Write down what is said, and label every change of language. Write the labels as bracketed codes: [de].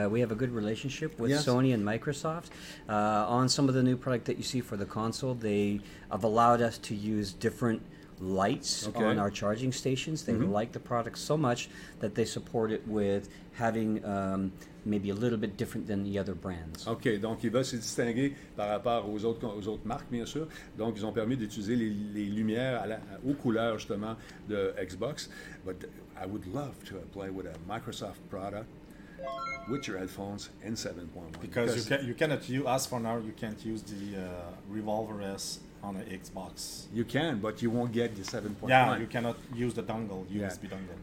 [en] We have a good relationship with Sony and Microsoft. On some of the new product that you see for the console, they have allowed us to use different lights on our charging stations. They like the product so much that they support it with having maybe a little bit different than the other brands. [fr] OK, donc ils veulent se distinguer par rapport aux autres marques, bien sûr. Donc, ils ont permis d'utiliser les lumières aux couleurs, justement, de Xbox. [en] But I would love to play with a Microsoft product with your headphones in 7.1. Because you can't use the Revolver S on an Xbox. You can, but you won't get the 7.1. Yeah, you cannot use the USB dongle.